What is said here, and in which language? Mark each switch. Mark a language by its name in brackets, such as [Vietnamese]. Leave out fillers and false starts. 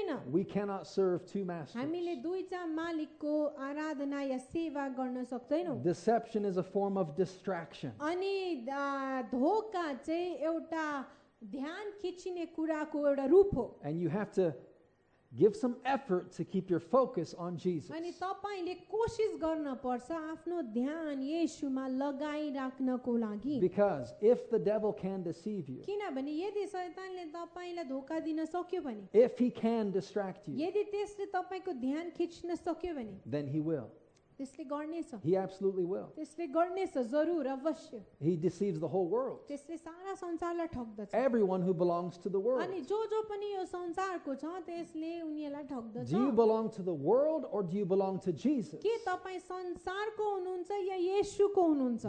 [English] We cannot serve two masters. Deception is a form of distraction. And you have to Give some effort to keep your focus on Jesus. [Nepali] अनि तपाईले कोशिश गर्न पर्छ आफ्नो ध्यान येशूमा लगाइराख्नको लागि. [English] Because if the devil can deceive you. [Nepali] किनभने यदि शैतानले तपाईलाई धोका दिन सक्यो भने. [English] If he can distract you. [Nepali] यदि त्यसले तपाईको ध्यान खिच्न सक्यो भने. [English] Then he will. [Nepali] त्यसले गर्नेछ. [English] He absolutely will. [Nepali] त्यसले गर्नेछ जरुर अवश्य. [English] He deceives the whole world. [Nepali] त्यसले सारा संसारलाई ठग्दछ. [English] Everyone who belongs to the world. [Nepali] अनि जो पनि यो संसारको छ त्यसले उनीहरूलाई ठग्दछ. [English] Do you belong to the world or do you belong to Jesus? [Nepali] के तपाई संसारको हुनुहुन्छ या येशूको हुनुहुन्छ?